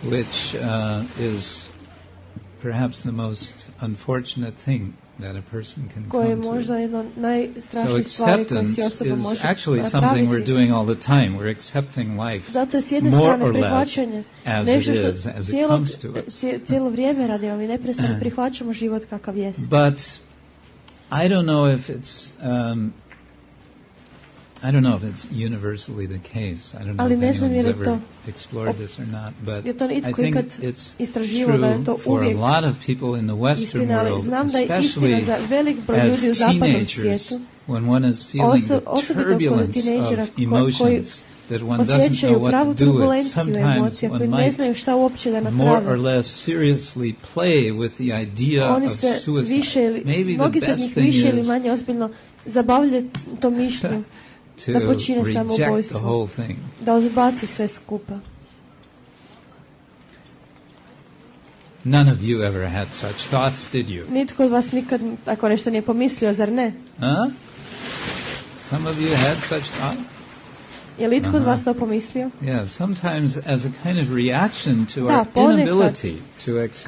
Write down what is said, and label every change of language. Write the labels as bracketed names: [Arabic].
[English] Which is perhaps the most unfortunate thing that a person can come to. So acceptance is actually something we're doing all the time. We're accepting life more or less as it is, as it comes to us. [Croatian] Cijelo vrijeme radimo i neprestano prihvaćamo život kakav jest. [English] But I don't know if it's I don't know if it's universally the case. I don't know if anyone's ever explored this or not, but I think it's true for a lot of people in the Western world, especially as teenagers, when one is feeling the turbulence of emotions, that one doesn't know what to do with. Sometimes one might more or less seriously play with the idea of suicide. Maybe the best thing is [Croatian] zabavlja to mišljenje. [English] To reject the whole thing. [Croatian] Da odbaci sve skupa. [English] None of you ever had such thoughts, did you? [Croatian] Nitko od vas nikad tako nešto nije pomislio, zar ne? [English] Some of you had such thoughts? [Croatian] Je li itko od vas to pomislio? [English] Yeah, sometimes as a kind of reaction to our inability to accept.